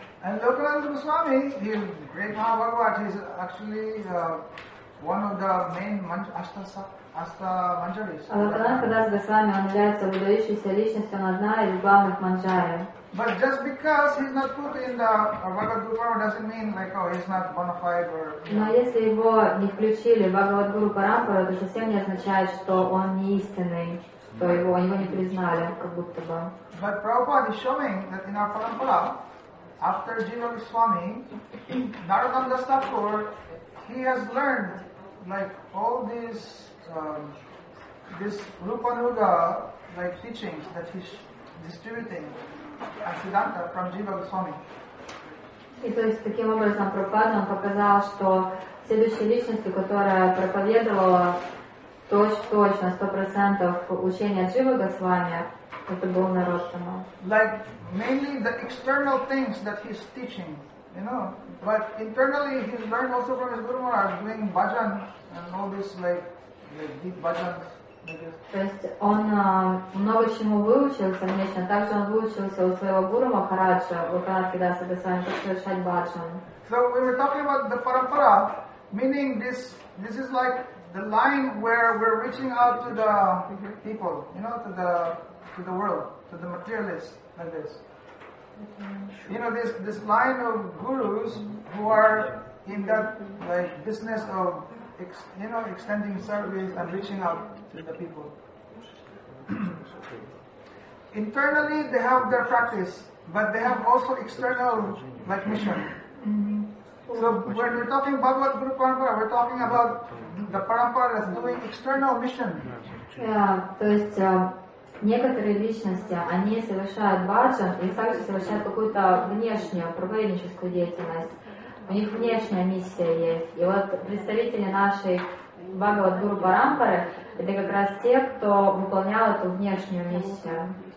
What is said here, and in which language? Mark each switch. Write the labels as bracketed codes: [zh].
[en] And Lokanath Das Goswami, he is great Mahabhagavat, he is actually one of the main Asta Manjaris. [ru] Lokanath Das Goswami, он является выдающейся личностью, он одна из главных Манджари. [en] But just because he is not put in the Bhagavad Guru Parampara doesn't mean like, oh, he is not bona fide or... [ru] Но если его не включили в Bhagavad Guru Parampara, то совсем не означает, что он не истинный. То его, его не признали, как будто бы. [en] But Prabhupada is showing that in our parampara, after Jiva Goswami, Narottam Das Thakur, he has learned like all these this Rupa Nuga like teachings that he's distributing as Siddhanta from Jiva Goswami. [ru] И то есть таким образом Прабхупада он показал, что следующей личностью, которая проповедовала точно, 100% учения Джива Госвами, это был Нароттама. [en] Like, mainly the external things that he's teaching, you know. But internally he's learned also from his Guru Maharaj, doing bhajan and all this like deep bhajans. [ru] То есть он много чему выучился внешне, также он выучился у своего Гуру Махараджа, у Канатхидаса Госвами, как совершать бхаджан. [en] So when we're talking about the parampara, meaning this is like the line where we're reaching out to the people, you know, to the world, to the materialists, like this. You know, this line of gurus who are in that like business of extending service and reaching out to the people. Internally, they have their practice, but they have also external like mission. So when we're talking Bhagavad Guru Parampara, we're talking about the parampara that's doing external mission. [ru] Yeah, то есть некоторые личности, они совершают бхаджан и также совершают какую-то внешнюю проповедническую деятельность. У них внешняя миссия есть. И вот представители нашей Бхагавад Гуру Парампары это как раз те, кто выполнял эту внешнюю миссию.